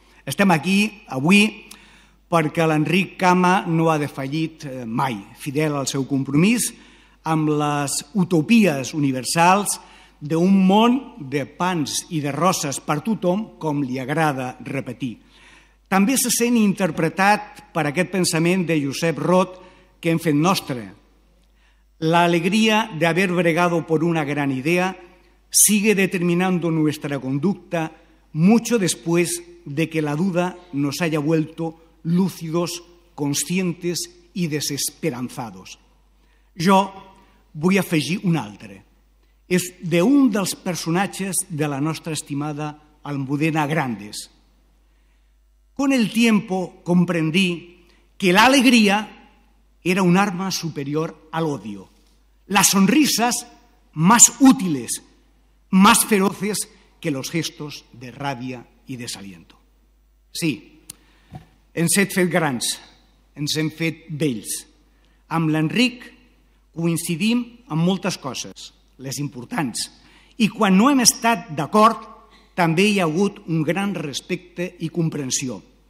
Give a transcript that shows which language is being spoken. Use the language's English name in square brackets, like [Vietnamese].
[Catalan] Estem aquí avui perquè l'Enric Cama no ha defallit mai, fidel al seu compromís amb les utopies universals d'un món de pans i de roses per tothom, com li agrada repetir. També se sent interpretat per aquest pensament de Josep Rot que hem fet nostre. [Spanish] La alegría de haber bregado por una gran idea sigue determinando nuestra conducta mucho después de que la duda nos haya vuelto lúcidos, conscientes y desesperanzados. [Catalan] Jo vull afegir un altre. És d'un dels personatges de la nostra estimada Almudena Grandes. [Spanish] Con el tiempo comprendí que la alegría era un arma superior al odio. Las sonrisas más útiles, más feroces que los gestos de rabia y desaliento. [Catalan] Sí, ens hem fet grans, ens hem fet vells. Amb l'Enric coincidim en moltes coses, les importants, I quan no hem estat d'acord, també hi ha hagut un gran respecte i comprensió.